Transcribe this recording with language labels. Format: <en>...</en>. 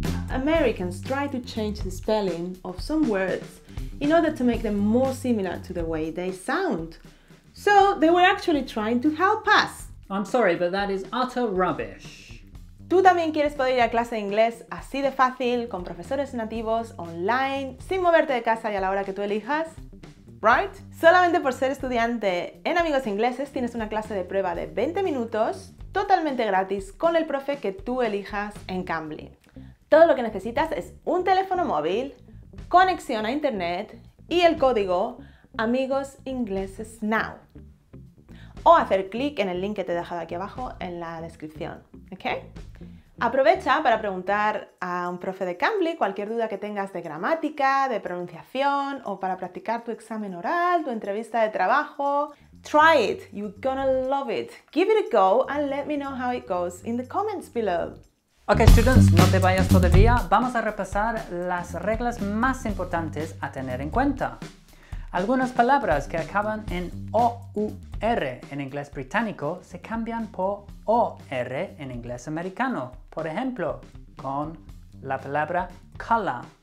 <en>Americans try to change the spelling of some words in order to make them more similar to the way they sound. So they were actually trying to help us. I'm sorry, but that is utter rubbish.</en> <es>¿Tú también quieres poder ir a clase de inglés así de fácil, con profesores nativos, online, sin moverte de casa y a la hora que tú elijas? ¿Right? Solamente por ser estudiante en Amigos Ingleses tienes una clase de prueba de 20 minutos, totalmente gratis, con el profe que tú elijas en Cambly. Todo lo que necesitas es un teléfono móvil, conexión a internet y el código Amigos Ingleses Now. O hacer clic en el link que te he dejado aquí abajo en la descripción, ¿ok? Aprovecha para preguntar a un profe de Cambly cualquier duda que tengas de gramática, de pronunciación o para practicar tu examen oral, tu entrevista de trabajo.</es> <en>Try it, you're gonna love it. Give it a go and let me know how it goes in the comments below.</en> <es>Ok, students, no te vayas todavía. Vamos a repasar las reglas más importantes a tener en cuenta. Algunas palabras que acaban en O-U-R en inglés británico se cambian por O-R en inglés americano. Por ejemplo, con la palabra color.</es>